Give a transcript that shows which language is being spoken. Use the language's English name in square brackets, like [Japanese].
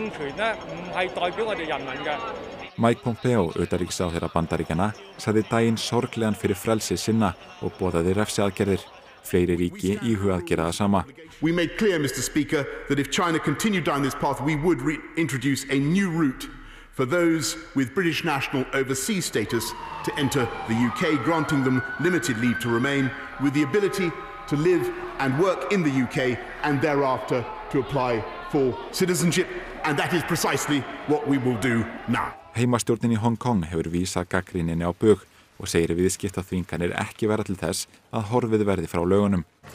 [Icelandic] Mike Pompeo, utanríkisráðherra Bandaríkjanna, sagði daginn sorglegan fyrir frelsi sinna og boðaði refsiaðgerðir. Fleiri ríki íhuga að gera það sama. [English] We made clear, Mr. Speaker, that if China continued down this path, we would reintroduce a new route for those with British national overseas status to enter the UK, granting them limited leave to remain with the ability to live and work in the UK and thereafter to apply for citizenship. And that is precisely what we will do now. [Icelandic] Heimastjórnin í Hong Kong hefur vísað gagnrýninni á bug og segir viðskiptaþvinganir ekki vera til þess að horfið verði frá lögunum.